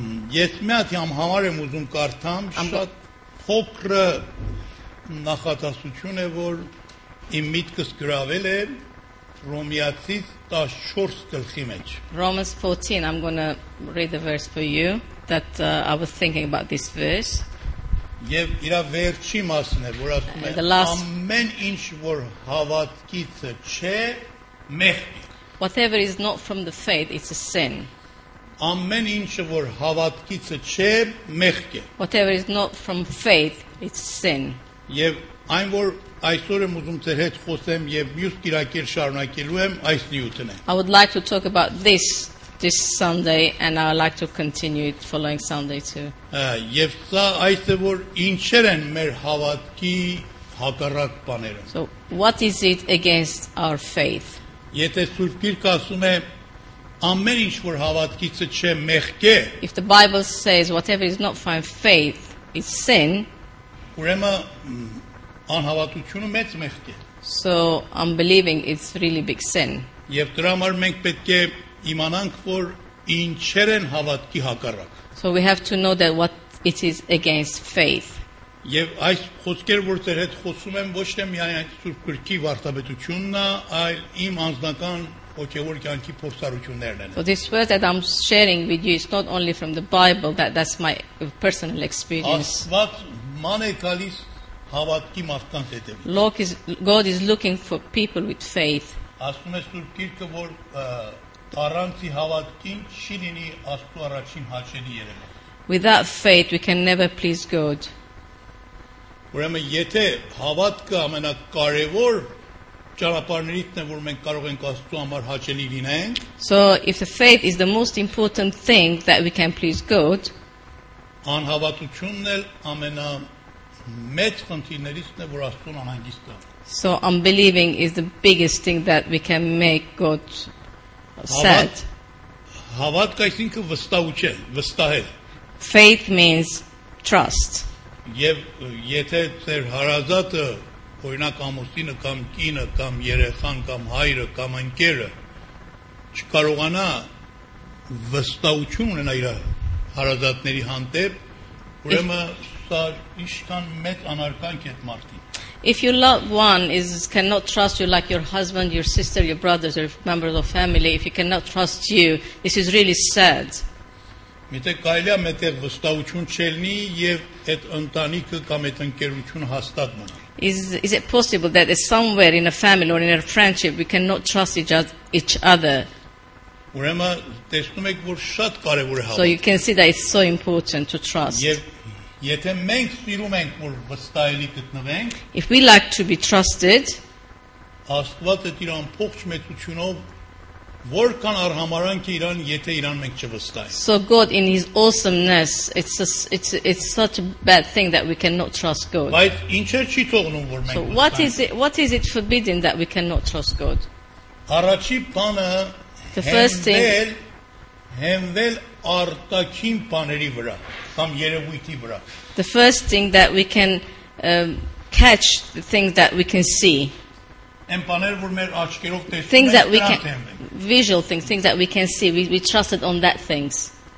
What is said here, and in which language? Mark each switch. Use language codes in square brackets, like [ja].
[hy] Ես մի հատ համար եմ ուզում կարդամ, շատ փոքր նախատասություն է, որ իմ միտքս գրավել է Ռոմեացի 14 գլխի մեջ. [en] Romans 14, I'm going to read the verse for you that I was thinking about this verse. [hy] Եվ իր վերջի մասն է, որ ասում է ամեն ինչ որ հավատքից չէ, մեղքի։ [en] Whatever is not from the faith, it's a sin. [hy] Ամեն ինչ որ հավատքից չէ, մեղքի։ [en] Whatever is not from faith, it's sin. [hy] Եվ այն որ այսօր եմ ուզում ձեր հետ խոսեմ եւ մյուս կիրակեր շարունակելու եմ այս նյութն է։ [en] I would like to talk about this Sunday and I would like to continue it following Sunday too. [hy] Եվ սա այս է որ ինչեր են մեր հավատքի հակառակ բաները։ [en] So what is it against our faith? [hy] Եթե Սուրբ Գիրքը ասում է ամեն ինչ որ հավատքից չէ մեղք է։ [en] If the Bible says whatever is not from faith is sin. [hy] Ուրեմն անհավատությունը մեծ մեղք է։ [en] So unbelieving is really big sin. [hy] Եվ դրա համար մենք պետք է իմանանք, որ ինչեր են հավատքի հակառակ։ [en] So we have to know that what it is against faith. [hy] Եվ այս խոսքեր, որ ձեր հետ խոսում եմ, ոչ թե միայն Սուրբ Գրքի վարտաբետությունն է, այլ իմ անձնական հոգևոր կյանքի փորձառություններն են։ [en] So this word that I'm sharing with you is not only from the Bible, that's my personal experience. [hy] Աստված ման է գալիս հավատքի մարդկանց հետևից։ [en] God is looking for people with faith. [hy] Ասում է Սուրբ Գիրքը, որ առանցի հավատքին չի լինի Աստծո առաջին հաճելի երևույթ։ [en] Without faith we can never please God. [hy] Ուրեմն եթե հավատքը ամենակարևոր ճանապարհներից է, որ մենք կարող ենք Աստծո համար հաճելի լինենք, [en] So if the faith is the most important thing that we can please God, [hy] անհավատությունն էլ ամենամեծ խնդիրներից է, որ Աստծուն անհանգիստ կա։ [en] So unbelieving is the biggest thing that we can make God upset. [hy] Հավատքը այսինքն վստահություն, վստահել։ [en] Faith means trust. [hy] Եվ եթե ձեր հարազատը, օրինակ ամուսինը կամ կինը կամ երեխան կամ հայրը կամ ընկերը չկարողանա վստահություն ունենալ իր հարազատների հանդեպ, ուրեմն սա ինչքան մեծ անարգանք է մարդին։ [en] If your loved one cannot trust you, like your husband, your sister, your brothers, or members of family, if he cannot trust you, this is really sad. [hy] Միտե կարելի է մտեր վստահություն չելնի եւ այդ ընտանիքը կամ այդ ընկերությունը հաստատ մնա։ [en] Is it possible that somewhere in a family or in a friendship we cannot trust each other? [hy] Ուրեմն տեսնում եք, որ շատ կարեւոր է հավատքը։ [en] So you can see that it's so important to trust. [hy] Եվ եթե մենք սիրում ենք, որ վստահելի գտնվենք, [en] If we like to be trusted, [hy] Աստված այդ իր ամբողջ մեծությունով Որքան արհամարանք է իրան, եթե իրան մենք չվստահենք։ [en] So God in his awesomeness, it's such a bad thing that we cannot trust God. [hy] Բայց ինչեր չի թողնում, որ մենք։ [en] So what is it forbidden that we cannot trust God? [hy] Առաջի բանը հենվել արտաքին բաների վրա, կամ երևույթի վրա։ [en] The first thing that we can catch the things that we can see. Things that we can, visual things that we can see, we trusted on that things.